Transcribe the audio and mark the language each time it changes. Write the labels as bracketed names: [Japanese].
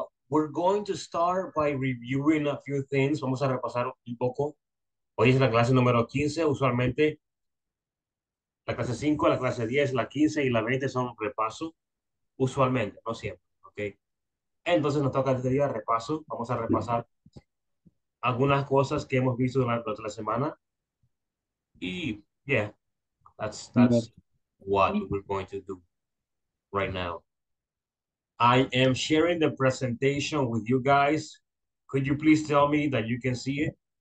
[English] We're going to start by reviewing a few things. [Spanish] Vamos a repasar un poco. Hoy es la clase número 15. Usualmente, la clase 5, la clase 10, la 15 y la 20 son repaso. Usualmente, no siempre. Okay. Entonces, nos toca este día repaso. Vamos a repasar algunas cosas que hemos visto durante la semana. [English] Y, yeah, that's what we're going to do right now. I am sharing the presentation with you guys. Could you please tell me that you can see it?